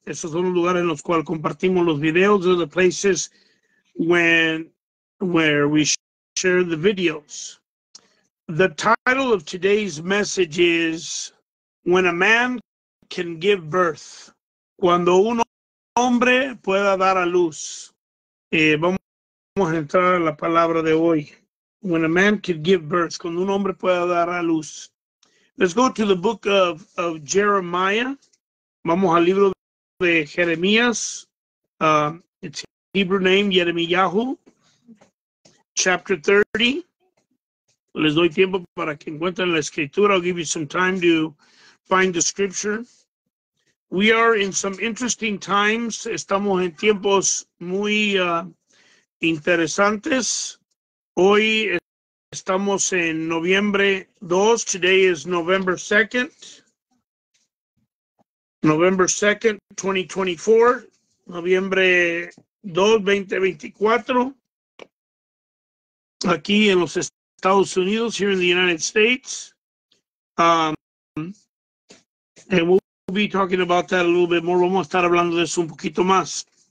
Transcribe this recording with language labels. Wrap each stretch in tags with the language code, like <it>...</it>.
<es>Esos son los lugares en los cuales compartimos los videos,</es> <en>or the places where we share the videos. The title of today's message is When a Man Can Give Birth.</en> <es>Cuando un hombre pueda dar a luz. Vamos a entrar a la palabra de hoy.</es> <en>When a man can give birth.</en> <es>Cuando un hombre pueda dar a luz.</es> <en>Let's go to the book of Jeremiah.</en> <es>Vamos al libro de Jeremías.</es> <en>It's Hebrew name, Jeremiyahu. Chapter 30.</en> <es>Les doy tiempo para que encuentren la escritura.</es> <en>I'll give you some time to find the scripture. We are in some interesting times.</en> <es>Estamos en tiempos muy interesantes. Hoy estamos en noviembre 2.</es> <en>Today is November 2nd. November 2nd, 2024.</en> <es>Noviembre 2, 2024. Aquí en los Estados Unidos,</es> <en>here in the United States. And we'll be talking about that a little bit more.</en> <es>Vamos a estar hablando de eso un poquito más.</es>